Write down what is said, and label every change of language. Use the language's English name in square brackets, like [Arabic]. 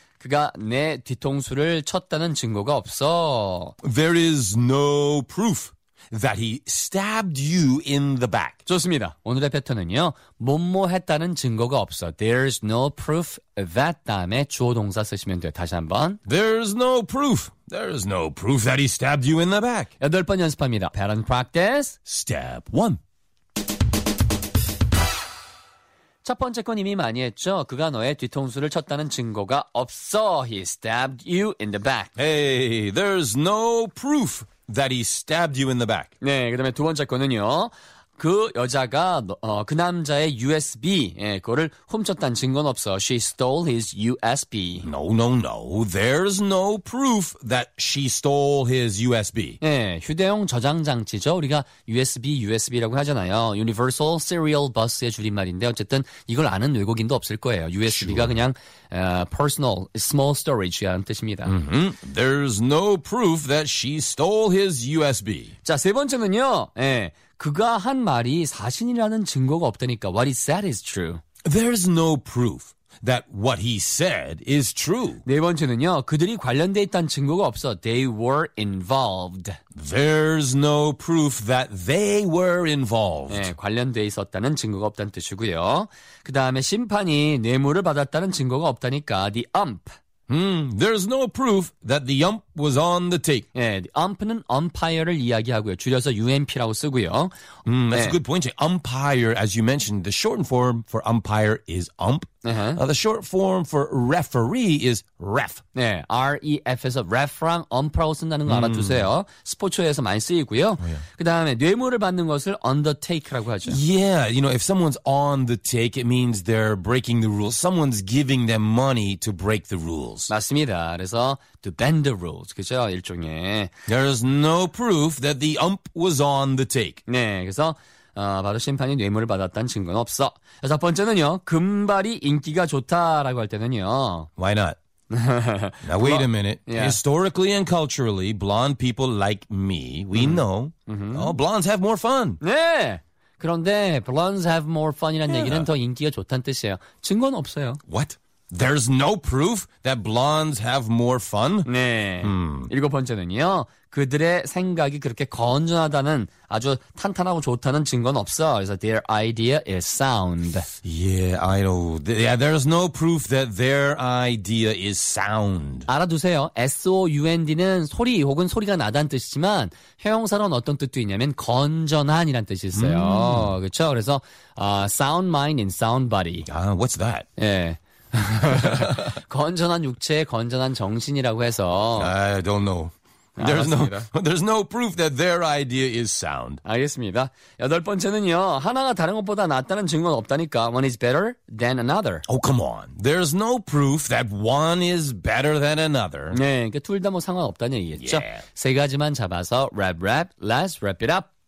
[Korean] 그가 내 뒤통수를 쳤다는 증거가 없어. [English] There is no proof that he stabbed you in the back. [Korean] 좋습니다. 오늘의 패턴은요. 뭐뭐 했다는 증거가 없어. [English] There's no proof that [Korean] 다음에 주어 동사 쓰시면 돼요. 다시 한번. [English] There's no proof. There's no proof that he stabbed you in the back. [Korean] 여덟 번 연습합니다. [English] Pattern practice. Step one. [Korean] 첫 번째 건 이미 많이 했죠. 그가 너의 뒤통수를 쳤다는 증거가 없어. [English] He stabbed you in the back. Hey, there's no proof that he stabbed you in the back. [Korean] 네, 그다음에 두 번째 건은요. 그 여자가 그 남자의 USB 그거를 훔쳤다는 증거는 없어. [English] She stole his USB. No, no, no. There's no proof that she stole his USB. [Korean] 예, 휴대용 저장 장치죠. 우리가 USB, USB라고 하잖아요. Universal Serial Bus의 줄임말인데 어쨌든 이걸 아는 외국인도 없을 거예요. USB가 [English] sure. [Korean] 그냥 [English] personal small storage [Korean] 라는 뜻입니다. Mm-hmm. [English] There's no proof that she stole his USB. [Korean] 자, 세 번째는요. 예. 그가 한 말이 사실이라는 증거가 없다니까. [English] What he said is true. There's no proof that what he said is true. [Korean] 네 번째는요. 그들이 관련돼 있다는 증거가 없어. [English] They were involved. There's no proof that they were involved. [Korean] 네, 관련돼 있었다는 증거가 없다는 뜻이고요. 그 다음에 심판이 뇌물을 받았다는 증거가 없다니까. [English] The ump. There's no proof that the ump was on the take. [Korean] 예, 네, ump는 umpire를 이야기하고요. 줄여서 UMP라고 쓰고요. [English] That's [Korean] 네. [English] a good point. Umpire, as you mentioned, the short form for umpire is ump. Uh-huh. The short form for referee is ref. [Korean] 네, R-E-F에서 ref랑 ump라고 쓴다는 거 알아두세요. 스포츠에서 많이 쓰이고요. [English] Oh, yeah. [Korean] 그 다음에 뇌물을 받는 것을 undertake라고 하죠. [English] Yeah, you know, if someone's on the take, it means they're breaking the rules. Someone's giving them money to break the rules. [Korean] 맞습니다. 그래서 [English] to bend the rules, [Korean] 그렇죠? 일종의. [English] There's no proof that the ump was on the take. [Korean] 네, 그래서 바로 심판이 뇌물을 받았다는 증거는 없어. 여섯 번째는요. 금발이 인기가 좋다라고 할 때는요. [English] Why not? Now, wait a minute. Yeah. Historically and culturally, blonde people like me, we know. Mm-hmm. Oh, blondes have more fun. [Korean] 네. 그런데 [English] blondes have more fun이라는 yeah. [Korean] 얘기는 더 인기가 좋다는 뜻이에요. 증거는 없어요. [English] What? There's no proof that blondes have more fun? [Korean] 네. 일곱 번째는요. 그들의 생각이 그렇게 건전하다는 아주 탄탄하고 좋다는 증거는 없어. 그래서 [English] their idea is sound. Yeah, I know. Yeah, there's no proof that their idea is sound. [Korean] 알아두세요. S-O-U-N-D는 소리 혹은 소리가 나다는 뜻이지만 형용사로는 어떤 뜻도 있냐면 건전한이란 뜻이 있어요. 그렇죠? 그래서 [English] sound mind in sound body. What's that? [Korean] 네. 건전한 육체, 건전한 정신이라고 해서 [English] I don't know. There's no proof that their idea is sound. [Korean] 알겠습니다. 여덟 번째는요. 하나가 다른 것보다 낫다는 증거는 없다니까. [English] One is better than another. Oh, come on. There's no proof that one is better than another. [Korean] 네, 그러니까 둘 다 뭐 상관없다는 얘기겠죠. [English] Yeah. [Korean] 세 가지만 잡아서 랩 랩, [English] let's wrap it up.